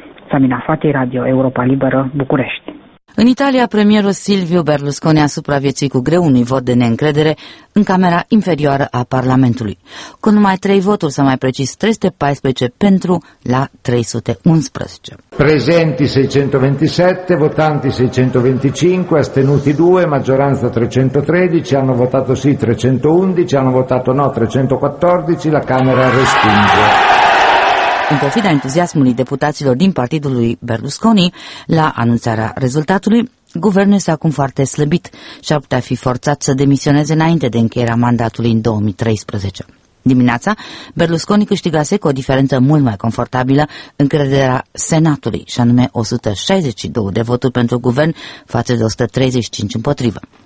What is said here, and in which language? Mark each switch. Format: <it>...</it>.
<ro>Sabina Fati, Radio Europa Liberă, București. În Italia, premierul Silvio Berlusconi a supraviețuit cu greu unui vot de neîncredere în camera inferioară a Parlamentului, cu numai 3 voturi, să mai precis 314 pentru la 311.</ro> <it>Prezenti 627, votanti 625, astenuti 2, maggioranza 313, hanno votato sì 311, hanno votato no 314, la camera respinge.</it> <ro>În pofida entuziasmului deputaților din partidul lui Berlusconi, la anunțarea rezultatului, guvernul este acum foarte slăbit și ar putea fi forțat să demisioneze înainte de încheierea mandatului în 2013. Dimineața, Berlusconi câștigase cu o diferență mult mai confortabilă încrederea Senatului, și anume 162 de voturi pentru guvern față de 135 împotrivă.</ro>